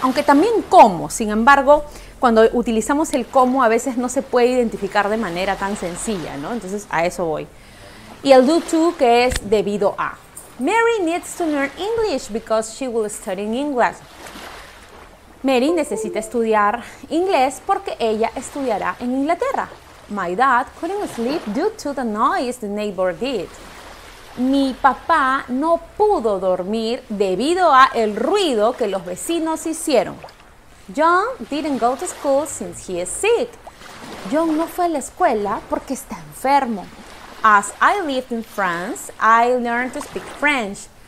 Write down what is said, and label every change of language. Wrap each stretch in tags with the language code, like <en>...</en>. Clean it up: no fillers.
<es>Aunque también como, sin embargo, cuando utilizamos el cómo, a veces no se puede identificar de manera tan sencilla, ¿no? Entonces, a eso voy. Y el due to, que es debido a.</es> <en>Mary needs to learn English because she will study in English.</en> <es>Mary necesita estudiar inglés porque ella estudiará en Inglaterra.</es> <en>My dad couldn't sleep due to the noise the neighbor did.</en> <es>Mi papá no pudo dormir debido a el ruido que los vecinos hicieron.</es> <en>John didn't go to school since he is sick.</en> <es>John no fue a la escuela porque está enfermo.</es> <en>As I lived in France, I learned to speak French.</en>